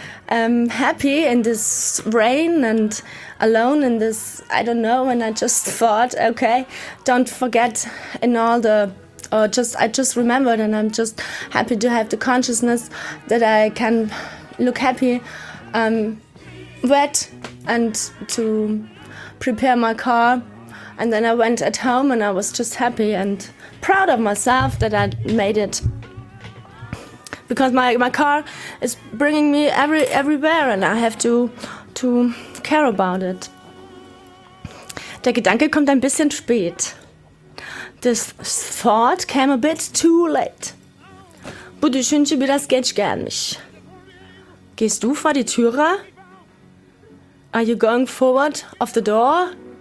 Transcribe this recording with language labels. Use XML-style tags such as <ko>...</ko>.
<en>happy in this rain and alone in this, I don't know, and I just thought, okay, don't forget in all the, or just, I just remembered, and I'm just happy to have the consciousness that I can look happy, wet, and to prepare my car. And then I went at home and I was just happy and proud of myself that I made it. Because my car is bringing me everywhere and I have to care about it.</en> <de>Der Gedanke kommt ein bisschen spät.</de> <en>This thought came a bit too late. Budu schünsche bi das Gage gern mich.</en> <de>Gehst du vor die Türe?</de> <en>Are you going forward of the door?</en>